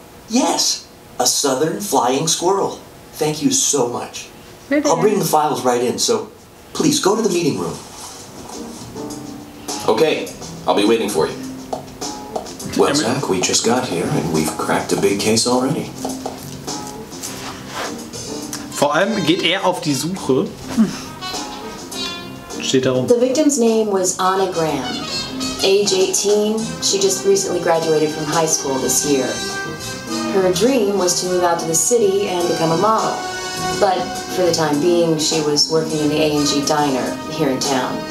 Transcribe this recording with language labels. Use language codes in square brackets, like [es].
[en] Yes, a southern flying squirrel. Thank you so much. I'll bring the files right in, so please go to the meeting room. Okay, I'll be waiting for you. Well, Zach, we just got here and we've cracked a big case already. [de] Vor allem geht er auf die Suche. Steht da rum. [en] The victim's name was Anna Graham. Age 18, she just recently graduated from high school this year. Her dream was to move out to the city and become a model. But for the time being, she was working in the A&G diner here in town.